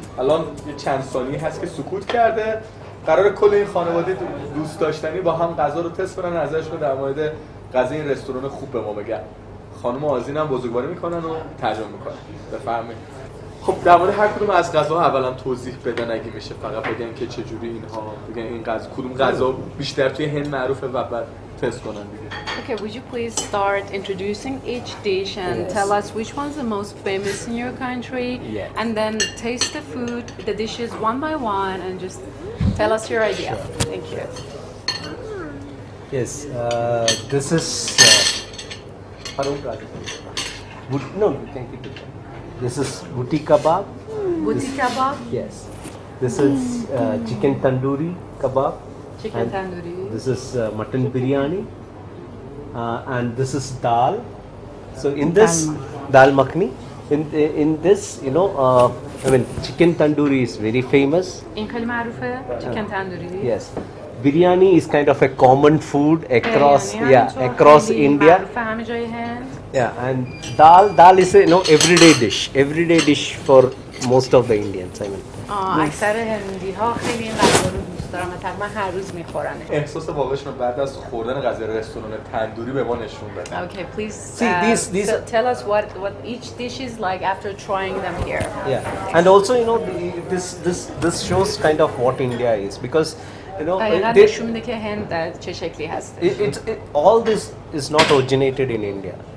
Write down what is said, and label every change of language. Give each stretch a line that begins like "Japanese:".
Persian: الان چند ثانیه هست که سکوت کرده، قرار کل این خانواده دوست داشتنی با هم غذا رو تست کنن، ازش رو در مورد غذای این رستوران خوب به ما بگن. خانم آزین هم بزرگواری میکنن و ترجمه میکنن، بفرمایید. خب در مورد هر کدوم از غذا اولا توضیح بدن اگه میشه، فقط بگن که چجوری اینها، بگن این غذا کدوم غذا بیشتر توی هند معروفه و بعد تست کنن دیگه.
English: Okay, would you please start introducing each dish and yes. tell us which one's the most famous in your country yeah. and then taste the food, the dishes one by one and just tell us your idea. Sure. Thank you. Yes, this is This is buti kebab. Buti kebab? Yes. This is chicken tandoori kebab. Chicken tandoori. This is mutton biryani. And this is dal. So in this dal makhni, in this, you know, chicken tandoori is very famous. In Kalimarufa, chicken tandoori. Yes. Biryani is kind of a common food across across India. Yeah, and dal is a, you know, everyday dish for most of the Indians. I mean.
Persian: اکثر هندی ها خیلی این غذا رو دوست دارن، مثلا من هر روز میخورنش. احساس واقعیشون بعد از خوردن غذا رستوران تندوری به ما نشون بدن.
English: Okay, please so tell us what each dish is like after trying them here. Yeah, and also you know this shows kind of what India is because. All this is not originated in India.